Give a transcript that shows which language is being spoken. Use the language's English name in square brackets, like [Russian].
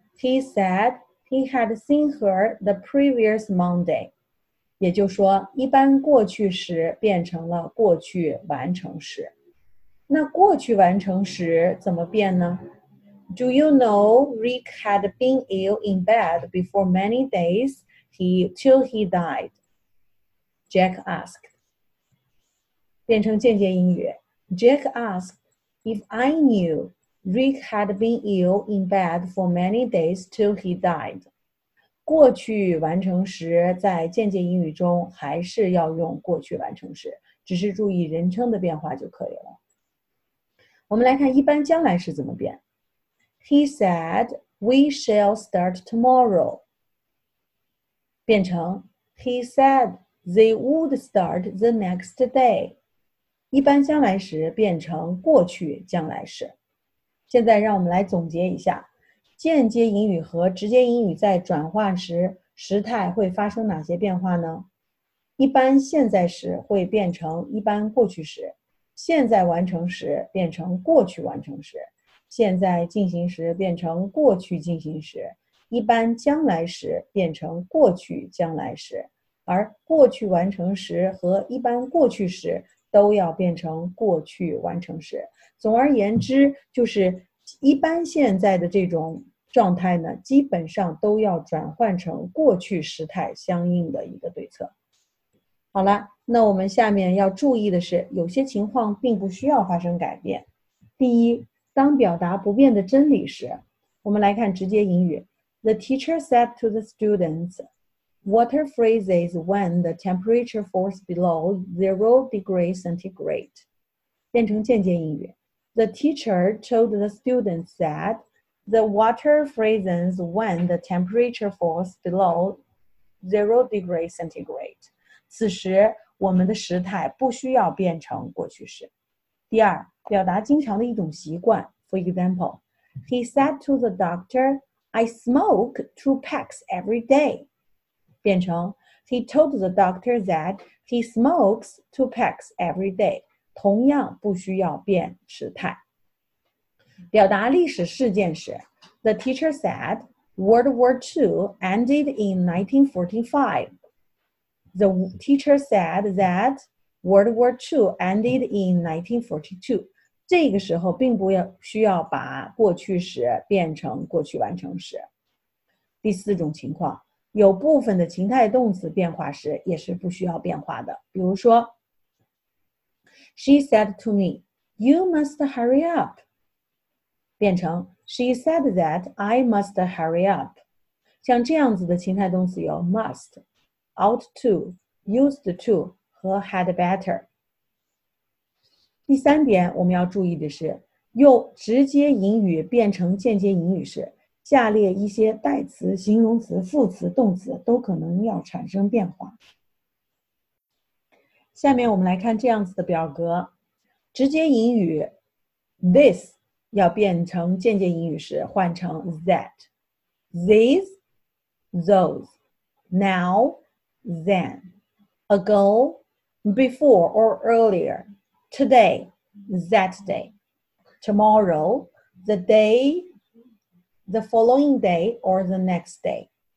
[English] He said he had seen her the previous Monday. [Chinese] 也就是说一般过去时变成了过去完成时。那过去完成时怎么变呢？ [English] Do you know Rick had been ill in bed before many days till he died? Jack asked. [Chinese] 变成间接英语。 [English] Jack asked, if I knew Rick had been ill in bed for many days till he died. [Chinese] 过去完成时在间接英语中还是要用过去完成时，只是注意人称的变化就可以了。我们来看一般将来时怎么变。 [English] He said, we shall start tomorrow. 变成 He said, they would start the next day. [Chinese] 一般将来时变成过去将来时。现在让我们来总结一下，间接引语和直接引语在转化时时态会发生哪些变化呢？一般现在时会变成一般过去时，现在完成时变成过去完成时，现在进行时变成过去进行时，一般将来时变成过去将来时，而过去完成时和一般过去时都要变成过去完成时。总而言之，就是一般现在的这种状态呢，基本上都要转换成过去时态相应的一个对策。好了，那我们下面要注意的是，有些情况并不需要发生改变。第一，当表达不变的真理时，我们来看直接引语。 [English] The teacher said to the students,Water freezes when the temperature falls below 0°C. [Chinese] 变成间接英语。 [English] The teacher told the students that the water freezes when the temperature falls below 0°C. [Chinese] 此时我们的时态不需要变成过去时。第二，表达经常的一种习惯。 [English] For example, he said to the doctor, I smoke 2 packs every day. 变成 He told the doctor that he smokes 2 packs every day. [Chinese] 同样不需要变时态。表达历史事件时 [English] The teacher said World War II ended in 1945. The teacher said that World War II ended in 1942. [Chinese] 这个时候并不需要把过去时变成过去完成时。第四种情况，有部分的情态动词变化时也是不需要变化的。 [English] 比如说 She said to me, you must hurry up. 变成 She said that I must hurry up. [Chinese] 像这样子的情态动词有 must, ought to, used to 和 had better. 第三点我们要注意的是，用直接引语变成间接引语时，下列一些代词、形容词、副词、动词都可能要产生变化。下面我们来看这样子的表格。直接引语 this 要变成间接引语时换成 that, these, those, now, then, ago, before or earlier, today, that day, tomorrow, the dayThe following day or the next day.